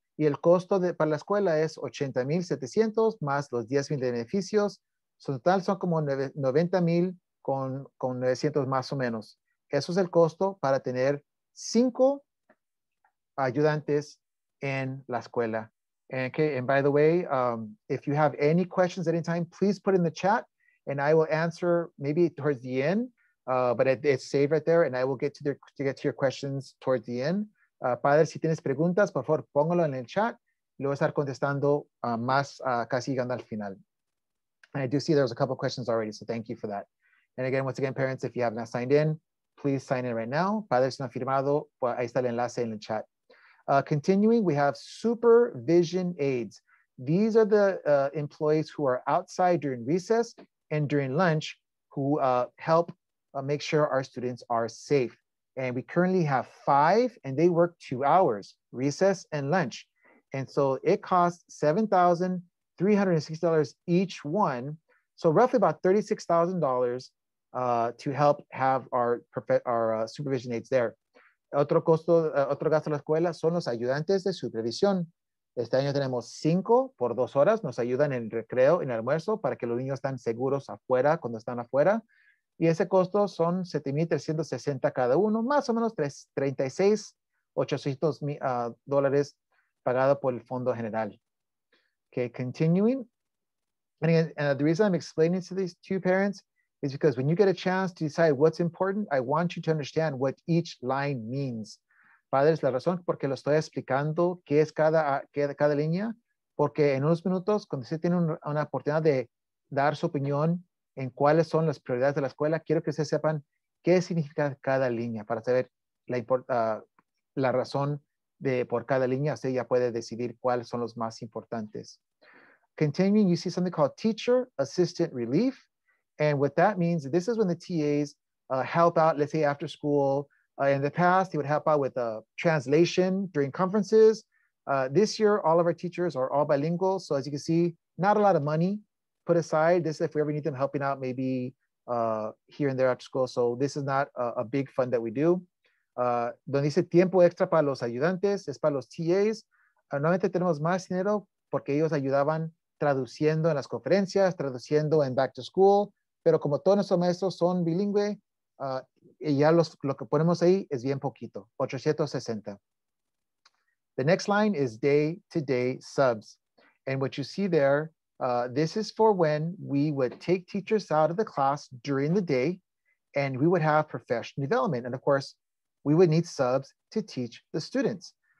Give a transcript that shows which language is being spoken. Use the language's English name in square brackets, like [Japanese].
[Spanish] Y el costo para la escuela es $80,700 más los $10,000 de beneficios. So en total son como $90,000 con 900 más o menos. Eso es el costo para tener 5 ayudantes en la escuela. [English] And by the way, if you have any questions at any time, please put in the chat and I will answer maybe towards the end, but it's saved right there and I will get to your questions towards the end. [Spanish] Padre, si tienes preguntas, por favor, póngalo en el chat. Lo voy a estar contestando casi llegando al final. [English] And I do see there's a couple of questions already, so thank you for that. And again, once again, parents, if you have not signed in, please sign in right now. [Spanish] Padre, si no ha firmado, ahí está el enlace en el chat. [English] Continuing, we have supervision aides. These are the employees who are outside during recess and during lunch who help make sure our students are safe. And we currently have 5 and they work 2 hours, recess and lunch. And so it costs $7,360 each one. So roughly about $36,000 to help have our supervision aides there. [Spanish] Otro gasto de la escuela son los ayudantes de supervisión. Este año tenemos 5 por 2 horas. Nos ayudan en el recreo, en el almuerzo, para que los niños estén seguros afuera, cuando están afuera. Y ese costo son $7,360 cada uno, más o menos $36,800 pagado por el Fondo General. [English] Okay, continuing. And again, the reason I'm explaining to these two parents is because when you get a chance to decide what's important, I want you to understand what each line means. [Spanish] Padres, la razón por qué lo estoy explicando qué es cada línea, porque en unos minutos, cuando usted tiene una oportunidad de dar su opinión en cuáles son las prioridades de la escuela, quiero que ustedes sepan qué significa cada línea para saber la razón de por cada línea. Usted ya puede decidir cuáles son los más importantes. [English] Continuing, you see something called Teacher Assistant Relief. And what that means, this is when the TAs help out, let's say after school. In the past, they would help out with translation during conferences. This year, all of our teachers are all bilingual. So as you can see, not a lot of money put aside. This is if we ever need them helping out, maybe here and there after school. So this is not a big fund that we do. [Spanish] Donde dice tiempo extra para los ayudantes, es para los TAs. Normalmente tenemos más dinero porque ellos ayudaban traduciendo en las conferencias, traduciendo en back to school, pero como todos nuestros maestros son bilingüe, lo que ponemos ahí es bien poquito, 860. [English] The next line is day-to-day subs. And what you see there, this is for when we would take teachers out of the class during the day and we would have professional development. And of course, we would need subs to teach the students.